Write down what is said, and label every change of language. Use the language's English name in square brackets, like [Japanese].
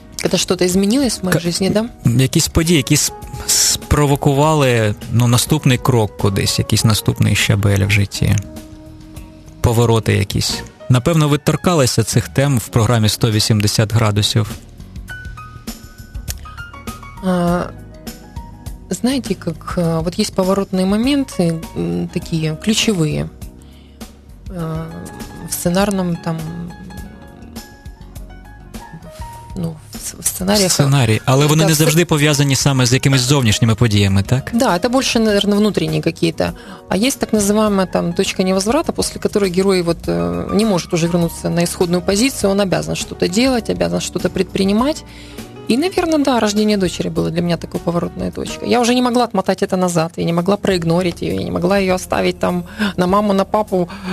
[Ukrainian] Це щось змінилось в моїй житті, да? Якісь події, які спровокували, ну, наступний крок кудись, якісь наступний щабель в житті. Повороти якісь. Напевно, ви торкалися цих тем в програмі «180 градусів». [Russian] знаете, как вот есть поворотные моменты, такие ключевые в сценарном там. Ну, в сценариях. Сценарий. [Ukrainian] Але вони не завжди пов'язані саме з якимись зовнішніми подіями, так? [Russian] Да, это больше, наверное, внутренние какие-то. А есть так называемая там точка невозврата, после которой герой вот не может уже вернуться на исходную позицию, он обязан что-то делать, обязан что-то предпринимать. И, наверное, да, рождение дочери было для меня такой поворотной точкой. Я уже не могла отмотать это назад, я не могла проигнорить ее, я не могла ее оставить там на маму, на папу.